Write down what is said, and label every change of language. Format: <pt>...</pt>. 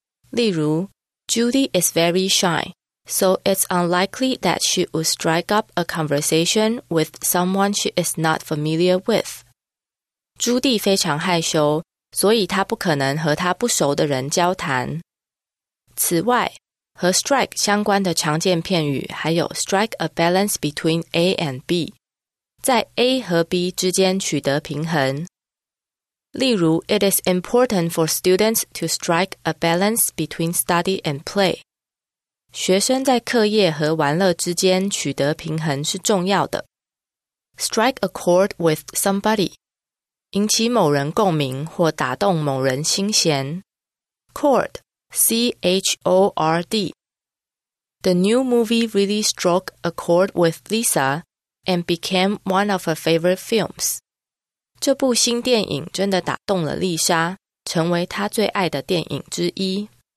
<en>例如 ,Judy is very shy, so it's unlikely that she would strike up a conversation with someone she is not familiar with.</en> <zh>朱蒂非常害羞，所以她不可能和她不熟的人交谈。此外，和 strike 相关的常见片语还有</zh> <en>strike a balance between A and B，</en> <zh>在 A 和 B 之间取得平衡。</zh> <en>例如 ，It is important for students to strike a balance between study and play。</en> <zh>学生在课业和玩乐之间取得平衡是重要的。</zh> <en>Strike a chord with somebody，</en> <zh>引起某人共鸣或打动某人心弦。</zh> <en>Chord, C-H-O-R-D。 The new movie really struck a chord with Lisa and became one of her favorite films。</en> <zh>这部新电影真的打动了丽莎，成为她最爱的电影之一。</zh>